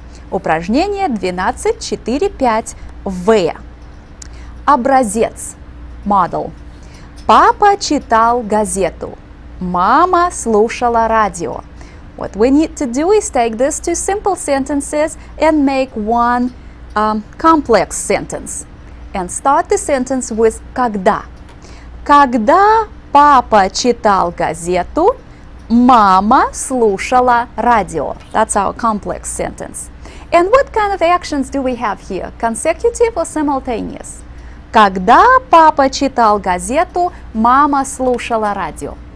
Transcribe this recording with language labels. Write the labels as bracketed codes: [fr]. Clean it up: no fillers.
[ru] Упражнение 12.4.5.V. Образец, model. Папа читал газету. Мама слушала радио. [en] What we need to do is take these two simple sentences and make one complex sentence. And start the sentence with когда. [ru] Когда папа читал газету, мама слушала радио. [en] That's our complex sentence. And what kind of actions do we have here? Consecutive or simultaneous? [ru] Когда папа читал газету, мама слушала радио.